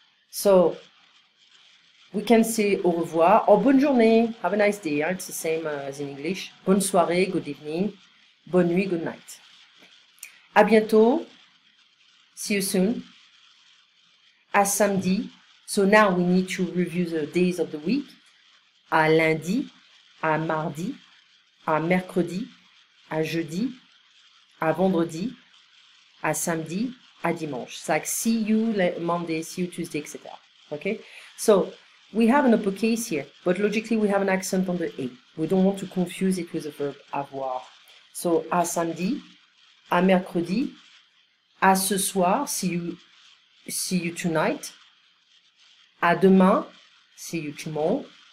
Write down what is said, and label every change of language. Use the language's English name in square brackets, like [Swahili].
[English] So, we can say [French] au revoir [English] or [French] bonne journée, [English] have a nice day, it's the same as in English. [French] Bonne soirée, [English] good evening, [French] bonne nuit, [English] good night. [French] À bientôt, [English] see you soon, [French] à samedi. [English] So now we need to review the days of the week. [French] À lundi, à mardi, à mercredi, à jeudi, à vendredi, à samedi, à dimanche. [English] It's like see you Monday, see you Tuesday, etc. Okay? So, we have an uppercase here, but logically we have an accent on the A. We don't want to confuse it with the verb avoir. So, [French] à samedi, à mercredi, à ce soir, [English] see you tonight, [French] à demain, [English] see you tomorrow.